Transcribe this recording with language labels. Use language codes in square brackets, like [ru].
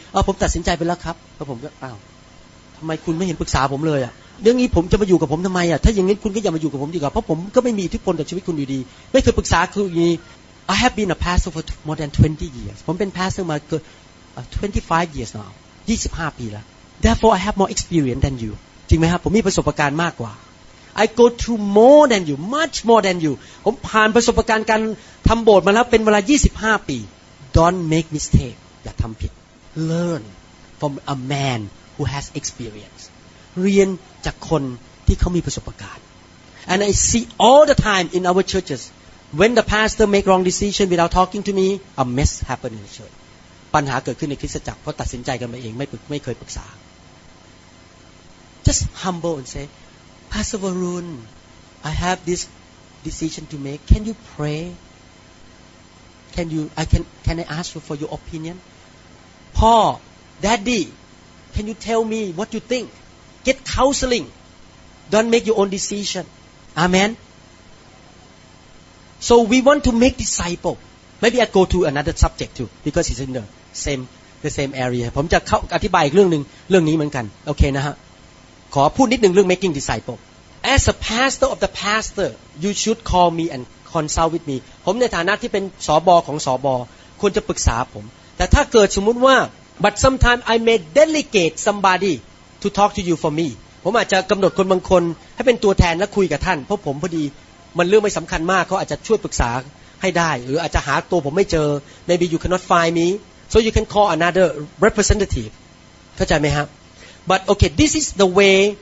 [th] Oh, ผมตัดสินใจไปแล้วครับแล้วผมก็อ้าวทำไมคุณไม่เห็นปรึกษาผมเลยอ่ะเรื่องนี้ผมจะมาอยู่กับผมทำไมอ่ะถ้าอย่างนี้คุณก็อย่ามาอยู่กับผมดีกว่าเพราะผมก็ไม่มีอิทธิพลต่อชีวิตคุณอยู่ดีไม่เคยปรึกษาคุณนี่ [en] I have been a pastor for more than 20 years. [th] ผมเป็นพาสเตอร์มาเกือบ 25 [en] years now. [th] 25ปีแล้ว [en] Therefore, I have more experience than you. [th] จริงไหมครับผมมีประสบการณ์มากกว่า [en] I go through more than you, much more than you. [th] ผมผ่านประสบการณ์การทำโบสถ์มาแล้วเป็นเวลา25ปี [en] Don't make mistake. [th] อย่าทำผิด [en] Learn from a man who has experience. [th] เรียนจากคนที่เขามีประสบการณ์ [en] And I see all the time in our churches when the pastor make wrong decision without talking to me, a mess happen in the church. [th] ปัญหาเกิดขึ้นในคริสตจักรเพราะตัดสินใจกันมาเองไม่เคยปรึกษา [en] Just humble and say, Pastor Varun, I have this decision to make. Can you pray? Can I ask you for your opinion? Pa, Daddy, can you tell me what you think? Get counseling. Don't make your own decision. Amen. So we want to make disciple. Maybe I go to another subject too, because it's in the same area. [th] ผมจะเข้าอธิบายอีกเรื่องนี้เหมือนกัน.Okay, นะฮะ. ขอพูดนิดนึงเรื่อง making disciple. [en] As a pastor of the pastor, you should call me andconsult with me [th] ผมในฐานะที่เป็นสบของสบควรจะปรึกษาผมแต่ถ้าเกิดสมมุติว่า [en] but sometime I may delegate somebody to talk to you for me [th] ผมอาจจะกำหนดคนบางคนให้เป็นตัวแทนและคุยกับท่านเพราะผมพอดีมันเรื่องไม่สำคัญมากเขาอาจจะช่วยปรึกษาให้ได้หรืออาจจะหาตัวผมไม่เจอ [en] maybe you cannot find me so you can call another representative [th] เข้าใจไหมครับ [en] but okay this is the way